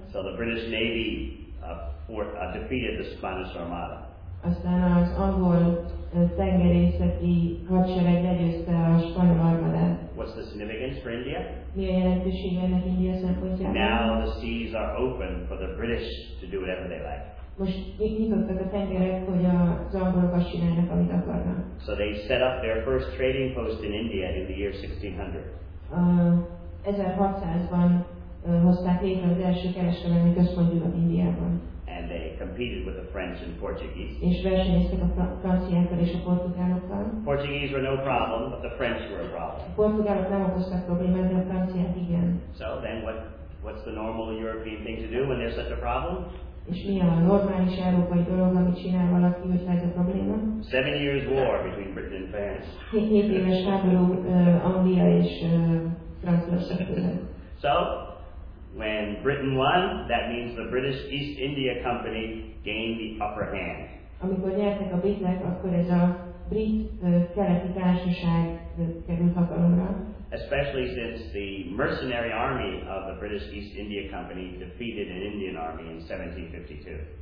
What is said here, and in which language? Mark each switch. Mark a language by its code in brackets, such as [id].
[en] So the British Navy defeated the Spanish Armada. [hu] Aztán az angol tengerészeti hadsereg legyőzte a spanyol armadát. [en] What's the significance for India? [hu] Mi a jelentősége ennek India szempontjából? [en] Now the seas are open for the British to do whatever they like. [hu] Most nyitottak a tengerek, hogy az angolok azt csinálnak, amit akarnak. [en] So they set up their first trading post in India in the year 1600. [hu] 1600-ban hozták létre az első kereskedelmi központjukat Indiában. [en] And they competed with the French and Portuguese. [hu] És versenyeztek a franciákkal és a portugálokkal. [en] Portuguese were no problem, but the French were a problem. [hu] A portugálok nem okoztak problémát, de a franciák igen. [en] So then what's the normal European thing to do when there's such a problem? [hu] És mi a normális európai dolog, amit csinál valaki, hogyha ez a probléma? [en] 7 years war between Britain and France. [hu] 7 éves háború Anglia és Franciaország között. [en] So, when Britain won, that means the British East India Company gained the upper hand. [hu] Amikor nyertek a britek, akkor ez a brit keleti társaság került hatalomra. [en] Especially since the mercenary army of the British East India Company defeated an Indian army in 1752.